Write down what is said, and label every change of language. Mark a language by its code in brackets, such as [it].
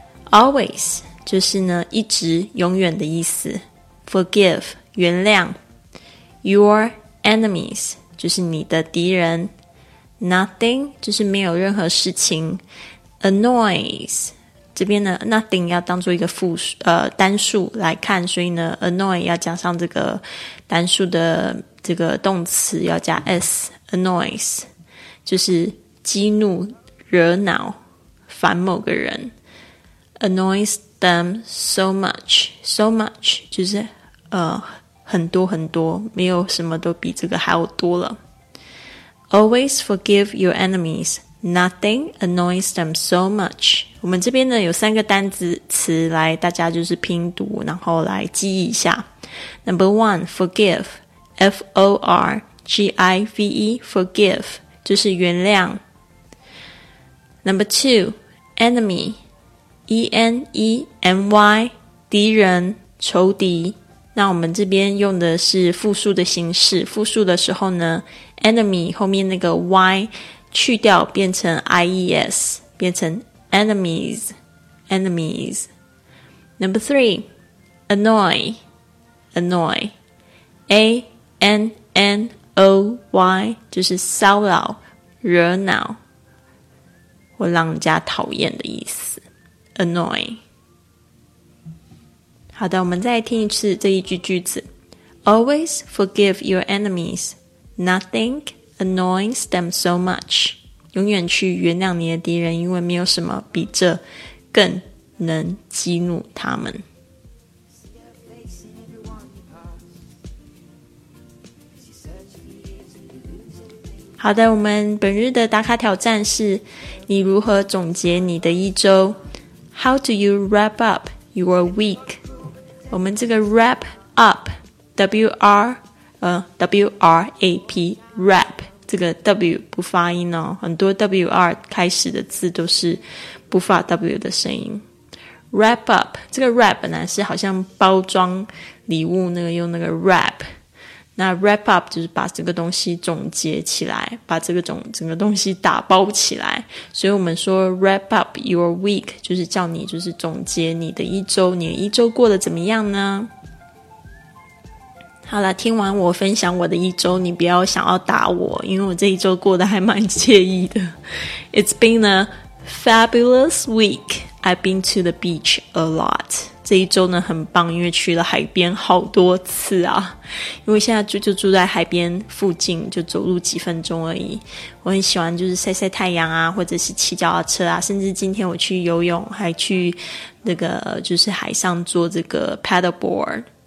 [zh] Always 就是呢一直永远的意思， Forgive 原谅， [en] Your enemies [zh] 就是你的敌人， Nothing 就是没有任何事情， Annoys 这边呢 Nothing 要当做一个复数单数来看，所以呢 Annoy 要加上这个单数的这个动词要加 S， Annoys 就是激怒惹恼烦某个人。 [en] Annoys them so much. So much [zh] 就是很多很多，没有什么都比这个还要多了。 [en] Always forgive your enemies. Nothing annoys them so much. [zh] 我们这边呢有三个单字词来大家就是拼读然后来记忆一下。 [en] Number one, forgive. F-O-R-G-I-V-E. [zh] Forgive 就是原谅。 [en] Number two, enemyEnemy [zh] 敌人仇敌，那我们这边用的是复数的形式，复数的时候呢 enemy 后面那个 y 去掉变成 ies 变成 enemies。 [en] Number three, annoy A-N-N-O-Y [zh] 就是骚扰惹恼或让人家讨厌的意思，annoy。好的，我们再听一次这一句句子。 Always forgive your enemies. Nothing annoys them so much. 永远去原谅你的敌人，因为没有什么比这更能激怒他们。好的，我们本日的打卡挑战是你如何总结你的一周。 [en] How do you wrap up your week? [zh] 我们这个 wrap up, W-R-A-P, wrap, 这个 W 不发音哦，很多 W-R 开始的字都是不发 W 的声音。 [en] Wrap up, [zh] 这个 wrap 本来是好像包装礼物那个用那个 wrap, 那 wrap up 就是把这个东西总结起来，把这个整个东西打包起来。所以我们说 [en] wrap up your week [zh] 就是叫你就是总结你的一周，你的一周过得怎么样呢？好啦，听完我分享我的一周，你不要想要打我，因为我这一周过得还蛮惬意的。 [en] It's been a fabulous week. I've been to the beach a lot. [zh] 这一周呢很棒，因为去了海边好多次啊，因为现在就住在海边附近，就走路几分钟而已。我很喜欢就是晒晒太阳啊，或者是骑脚踏车啊，甚至今天我去游泳，还去那个就是海上做这个 paddleboard，